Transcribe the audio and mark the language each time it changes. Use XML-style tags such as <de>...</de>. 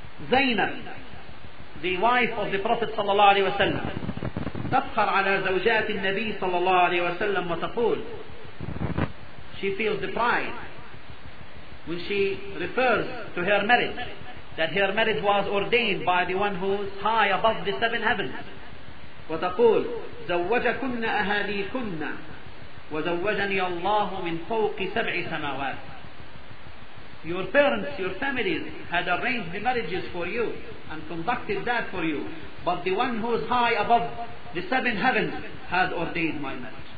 <en>Zainab, the wife of the Prophet sallallahu alayhi wa sallam,</en> <ar>تفخر على زوجات النبي</ar> <en>sallallahu alayhi wa sallam</en> <ar>وتقول.</ar> <en>She feels the pride when she refers to her marriage, that her marriage was ordained by the one who is high above the seven heavens.</en> <ar>وَتَقُولُ زَوَّجَكُنَّ أَهَالِيكُنَّ وزوجني الله من فوق سبع سماوات.</ar> <en>Your parents, your families had arranged the marriages for you and conducted that for you, but the one who is high above the seven heavens has ordained my marriage.</en>